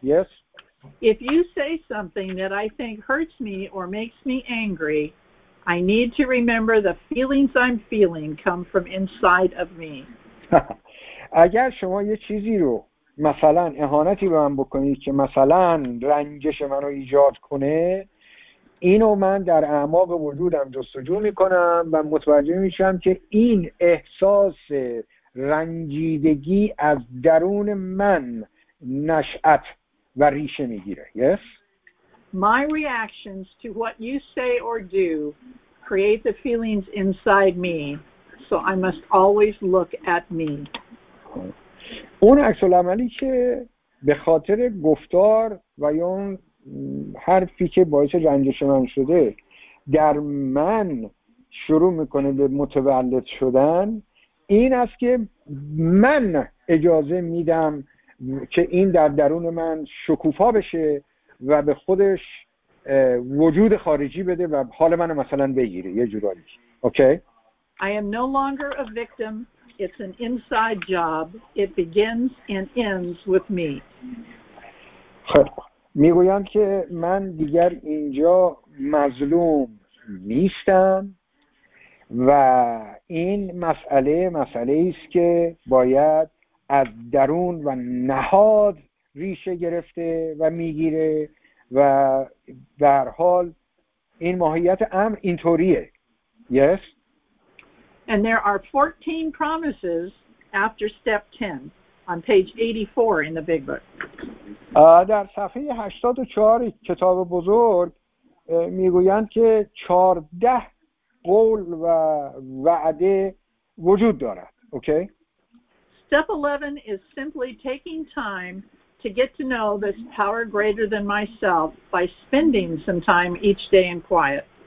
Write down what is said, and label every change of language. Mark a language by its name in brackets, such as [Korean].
[English] Yes. If you say something that I think hurts me or makes me angry, I need to remember the feelings I'm feeling come from inside of me. [Persian] اگر شما یه چیزی رو مثلا اهانتی به من بکنید که مثلا رنجش من رو ایجاد کنه، اینو من در اعماق وجودم جستجو میکنم و متوجه میشم که این احساس رنجیدگی از درون من نشأت و ریشه میگیره. [English] Yes. My reactions to what you say or do create the feelings inside me, so I must always look at me. [Persian] اون عکس العملی که به خاطر گفتار و یا اون حرفی که باعث رنجش من شده در من شروع میکنه به متولد شدن، این است که من اجازه میدم که این در درون من شکوفا بشه و به خودش وجود خارجی بده و حال منو مثلا بگیره یه جورایی. [English] Okay. I am no longer a victim. It's an inside job. It begins and ends with me. [Persian] خب میگویم که من دیگر اینجا مظلوم نیستم و این مسئله است که باید از درون و نهاد ریشه گرفته و میگیره و به هر حال این ماهیت امر اینطوریه. [English] Yes. And there are 14 promises after step 10 on page 84 in the big book. [Persian] در صفحه 84 کتاب بزرگ میگویند که 14 قول و وعده وجود دارد. [English] Okay. Step 11 is simply taking time to get to know this power greater than myself by spending some time each day in quiet.